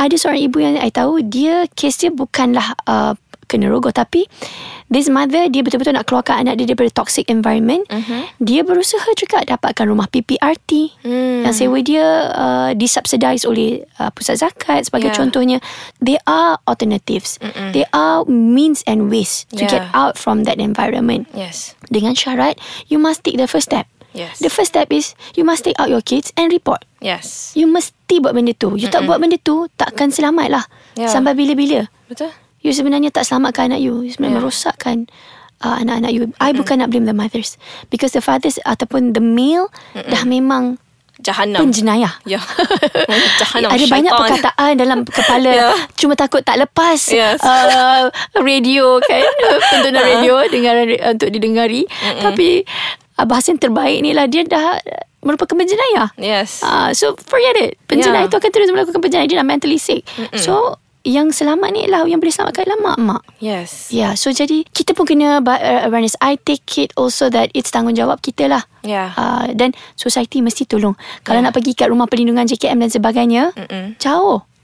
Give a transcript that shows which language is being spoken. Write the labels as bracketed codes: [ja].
[ms] Ada seorang ibu yang I tahu, dia kes dia bukanlah kena rogoh, tapi [en] this mother, [ms] dia betul-betul nak keluarkan anak dia daripada toxic environment. Mm-hmm. Dia berusaha juga dapatkan rumah PPRT yang sewa dia disubsidize oleh pusat zakat sebagai contohnya. [en] There are alternatives. Mm-mm. There are means and ways to get out from that environment. Yes. [ms] Dengan syarat, [en] you must take the first step. Yes. The first step is you must take out your kids and report. Yes. [ms] You mesti buat benda tu. You tak buat benda tu, takkan selamat lah. [en] Yeah. [ms] Sampai bila-bila. Betul. You sebenarnya tak selamatkan anak you. You sebenarnya merosakkan anak-anak you. [en] I [ms] bukan nak [en] blame the mothers. Because the fathers ataupun the male [ms] dah memang jahannam. Penjenayah. [en] Yeah. [ms] Jahannam. Ada banyak perkataan dalam kepala. [en] Yeah. [ms] Cuma takut tak lepas radio kan. Tentunya radio untuk didengari. Mm-mm. Tapi bahasa yang terbaik ni lah, dia dah merupakan penjenayah. [en] Yes. So forget it. [ms] Penjenayah itu akan terus melakukan penjenayah. Dia dah mentally sick. Mm-mm. So yang selamat ni lah, yang boleh selamatkan lah mak-mak. [en] Yes. [ms] Yeah, so jadi kita pun kena awareness. [en] I take it also that it's [ms] tanggungjawab kita lah. [en] Yeah. [ms] Dan society mesti tolong. Kalau nak pergi kat rumah perlindungan JKM dan sebagainya, jauh.